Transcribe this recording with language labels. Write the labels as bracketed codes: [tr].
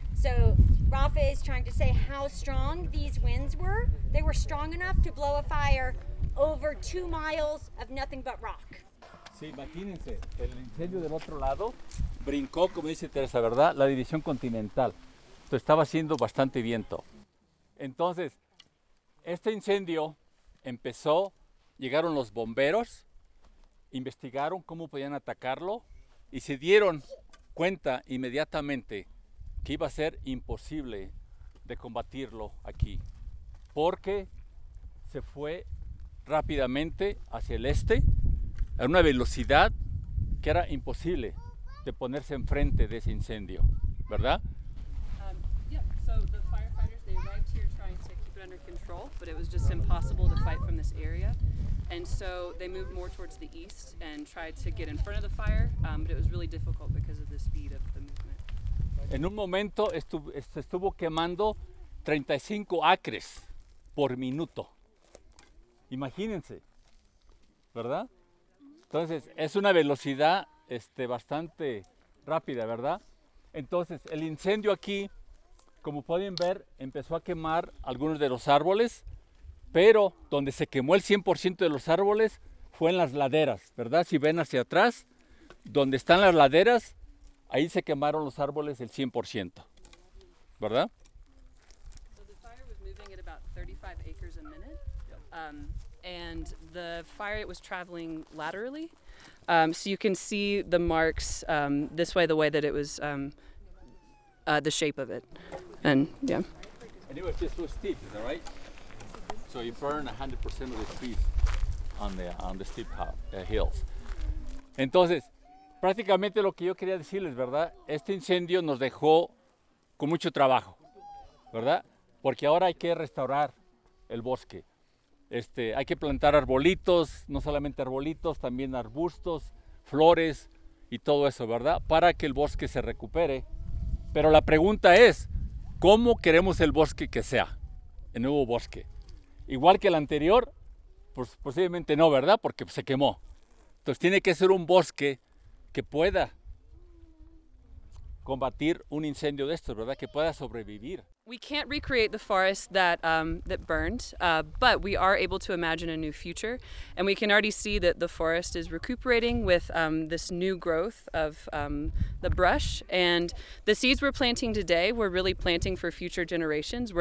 [en] So Rafa is trying to say how strong these winds were. They were strong enough to blow a fire over 2 miles of nothing but rock. [es] Sí, imagínense, el incendio del otro lado brincó, como dice Teresa, ¿verdad? La división continental. Entonces estaba haciendo bastante viento. Entonces, este incendio empezó, llegaron los bomberos, investigaron cómo podían atacarlo y se dieron cuenta inmediatamente que iba a ser imposible de combatirlo aquí, porque se fue rápidamente hacia el este a una velocidad que era imposible de ponerse enfrente de ese incendio, ¿verdad? [en] So the firefighters, they arrived here trying to keep it under control, but it was just impossible to fight from this area. And so they moved more towards the east and tried to get in front of the fire, but it was really difficult because of the speed of the movement. [es] En un momento estuvo quemando 35 acres por minuto. Imagínense, ¿verdad? Entonces, es una velocidad bastante rápida, ¿verdad? Entonces, el incendio aquí, como pueden ver, empezó a quemar algunos de los árboles, pero donde se quemó el 100% de los árboles fue en las laderas, ¿verdad? Si ven hacia atrás, donde están las laderas, ahí se quemaron los árboles el 100%, ¿verdad? [en] So the fire was moving at about 35 acres a minute. And the fire, it was traveling laterally. So you can see the marks this way, the way that it was, the shape of it. And yeah. And it was just so steep, is that right? So you burn 100% of the trees on the steep hills. [es] Entonces, prácticamente lo que yo quería decirles, ¿verdad? Este incendio nos dejó con mucho trabajo, ¿verdad? Porque ahora hay que restaurar el bosque. Hay que plantar arbolitos, no solamente arbolitos, también arbustos, flores y todo eso, ¿verdad? Para que el bosque se recupere. Pero la pregunta es, ¿cómo queremos el bosque que sea? El nuevo bosque. Igual que el anterior, pues posiblemente no, ¿verdad? Porque se quemó. Entonces tiene que ser un bosque que pueda combatir un incendio de estos, ¿verdad? Que pueda sobrevivir. [en] We can't recreate the forest that that burned, but we are able to imagine a new future, and we can already see that the forest is recuperating with this new growth of the brush, and the seeds we're planting today, we're really planting for future generations.